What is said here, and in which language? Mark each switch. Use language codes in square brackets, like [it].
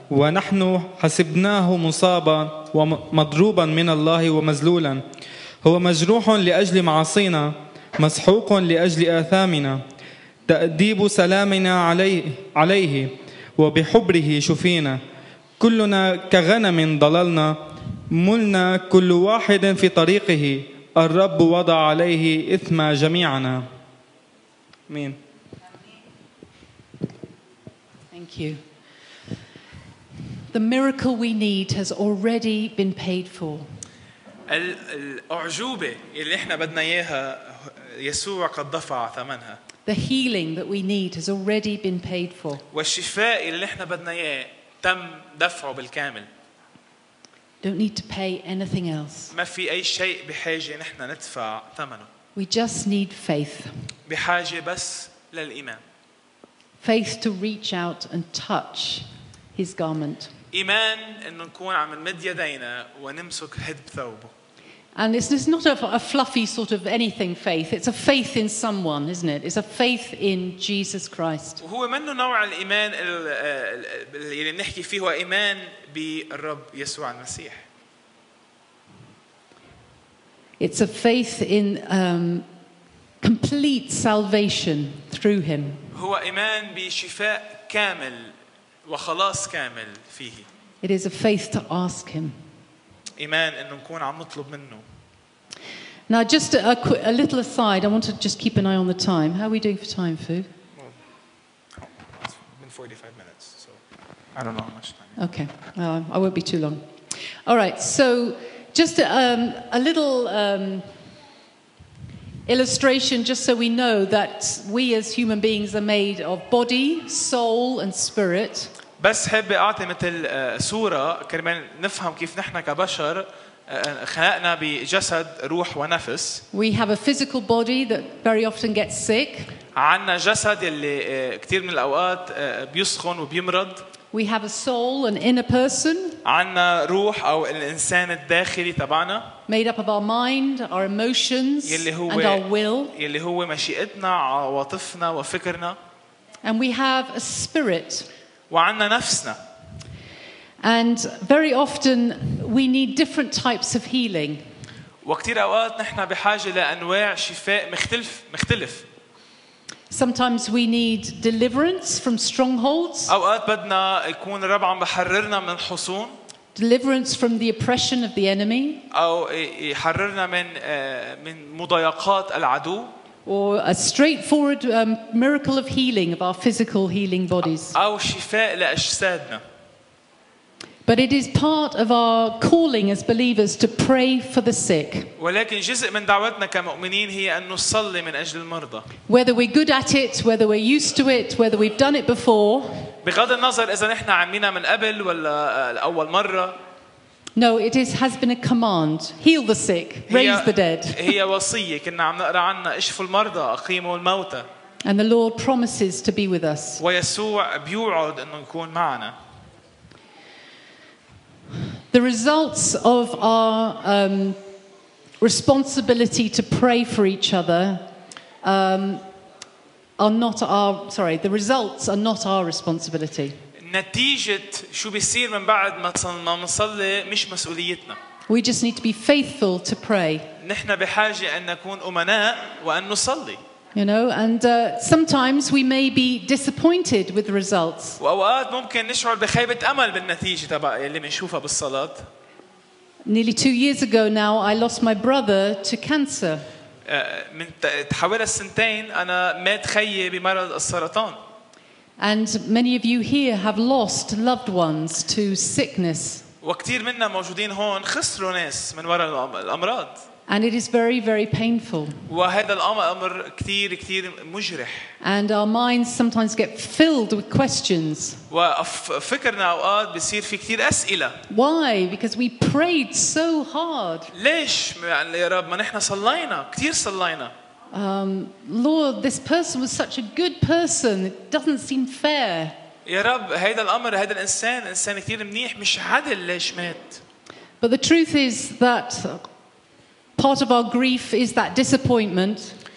[ar] ونحن حسبناه مصابا ومضروبا من الله ومزلولا هو مجروح لأجل معاصينا مسحوق لأجل آثامنا تأديب سلامنا عليه وبحبره شفينا كلنا كغنم ضللنا ملنا كل واحد في طريقه الرب وضع عليه إثم جميعنا مين [en] Thank you. The miracle we need has already been paid for. [ar] الأعجوبة اللي احنا بدنا اياها يسوع قد دفع ثمنها. [en] The healing that we need has already been paid for. [ar] والشفاء اللي احنا بدنا اياه تم دفعه بالكامل. [en] Don't need to pay anything else. [ar] ما في أي شيء بحاجة نحن ندفع ثمنه. [en] We just need faith. [ar] بحاجة بس للإيمان. [en] Faith to reach out and touch His garment. [ar] إيمان إنه نكون عم نمد يدينا ونمسك حذب ثوبه. [en] And it's not a fluffy sort of anything faith. It's a faith in someone, isn't it? It's a faith in Jesus Christ. [ar] وهو منه نوع الإيمان اللي نحكي فيه هو إيمان بالرب يسوع المسيح. [en] It's a faith in complete salvation through Him. [ar] هو إيمان بشفاء كامل وخلاص كامل فيه. [en] It is a faith to ask Him. [ar] إيمان إنه نكون عم نطلب منه. [en] Now just a little aside, I want to just keep an eye on the time. How are we doing for time, Fu? Well, it's been 45 minutes, so I don't know how much time. Okay, I won't be too long. All right, so just a little illustration, just so we know that we as human beings are made of body, soul, and spirit. [ar] بس حب أعطي مثل صورة كرمال نفهم كيف نحن كبشر خلقنا بجسد روح ونفس. [en] We have a physical body that very often gets sick. [ar] عنا جسد اللي كتير من الأوقات بيسخن وبيمرض. [en] We have a soul, an inner person. [ar] عنا روح أو الإنسان الداخلي تبعنا. [en] Made up of our mind, our emotions, and our will. [ar] يلي هو مشيئتنا عواطفنا وفكرنا. [en] And we have a spirit. [ar] وعنا نفسنا. [en] And very often we need different types of healing. [ar] وكتير أوقات نحن بحاجة لأنواع شفاء مختلف. [en] Sometimes we need deliverance from strongholds. [ar] أوقات بدنا يكون الرب عم بحررنا من حصون. [en] Deliverance from the oppression of the enemy. [ar] أو يحررنا من مضايقات العدو. [en] Or a straightforward miracle of healing of our physical healing bodies. [ar] أو شفاء لأجسادنا. [en] But it is part of our calling as believers to pray for the sick. [ar] ولكن جزء من دعوتنا كمؤمنين هي أن نصلي من أجل المرضى. [en] Whether we're good at it, whether we're used to it, whether we've done it before. [ar] بغض النظر إذا نحن عمينا من قبل ولا الأول مرة. [en] No, it has been a command. Heal the sick, raise the dead. [ar] هي وصية كنا عم نقرأ عنها. اشفوا المرضى، أقيموا الموتى. [en] And the Lord promises to be with us. [ar] ويسوع بيوعد إنه يكون معنا. [en] The results of our responsibility to pray for each other are not our. Sorry, the results are not our responsibility. [ar] نتيجة شو بيصير من بعد ما نصلي مش مسؤوليتنا. [en] We just need to be faithful to pray. [ar] نحن بحاجة أن نكون أمناء وأن نصلي. [en] You know, and sometimes we may be disappointed with the results. [ar] وأوقات ممكن نشعر بخيبة أمل بالنتيجة تبع اللي منشوفها بالصلاة. [en] Nearly 2 years ago now, I lost my brother to cancer. [ar] من حوالي سنتين أنا مات خيي بمرض السرطان. [en] And many of you here have lost loved ones to sickness. [ar] وكثير منا موجودين هون خسروا ناس من وراء الأمراض. [en] And it is very, very painful. [ar] وهذا الأمر كثير كثير مجرح. [en] And our minds sometimes get filled with questions. [ar] وفكرنا أوقات بيصير في كثير أسئلة. [en] Why? Because we prayed so hard. [ar] ليش يعني يا رب ما نحن صلينا كثير صلينا. [en] Lord, this person was such a good person. It doesn't seem fair. [ar] يا رب هذا الأمر هذا الإنسان إنسان كثير منيح مش عادل ليش مات. [en] But the truth is that part of our grief is that disappointment.